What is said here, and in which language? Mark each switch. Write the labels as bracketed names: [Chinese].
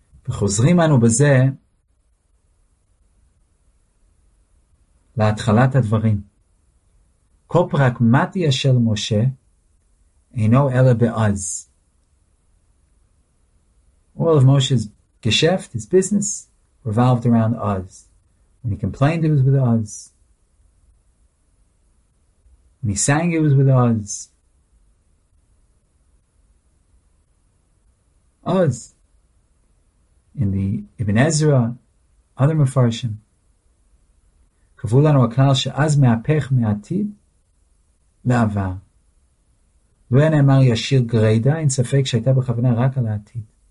[Hebrew] חוזרים אנו בזה להתחלת הדברים. כל פרגמטיה של משה אינו אלא בעז. [English] All of Moshe's geschäft, his business, revolved around Uz. When he complained, it was with Uz. When he sang, it was with Uz. Uz. In the Ibn Ezra, other Mepharshim. [Hebrew] קבעו לנו הכלל שאז מהפך מעתיד לעבר. לא היה נאמר ישיר גרידה, אין ספק שהייתה בכוונה רק על העתיד.